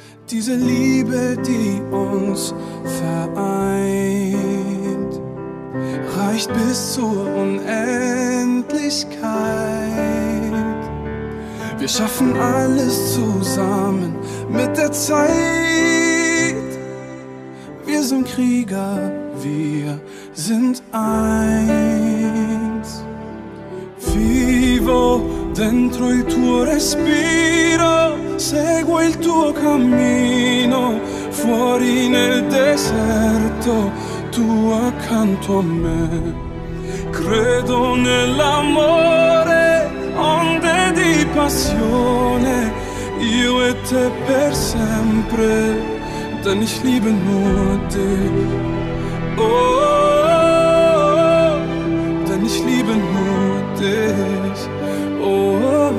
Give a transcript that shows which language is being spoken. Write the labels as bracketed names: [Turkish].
[German] Diese Liebe, die uns vereint, reicht bis zur Unendlichkeit. Wir schaffen alles zusammen mit der Zeit. Wir sind Krieger, wir sind eins. [Italian] Vivo dentro il tuo respiro, seguo il tuo cammino. Fuori nel deserto, tu accanto a me. Credo nell'amore, onde di passione, io e te per sempre, [German] denn ich liebe nur dich. Oh, denn ich liebe nur dich.